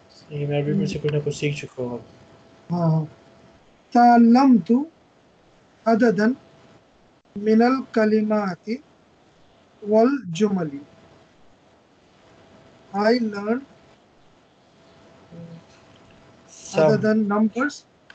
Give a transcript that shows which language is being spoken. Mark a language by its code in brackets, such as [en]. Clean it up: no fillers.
[ur] یہ میں عربی میں سے کچھ نہ کچھ سیکھ چکا ہوں. [ar] تعلمت عددا من الكلمات والجمل. [en] I learned [ar] عددا [en] numbers.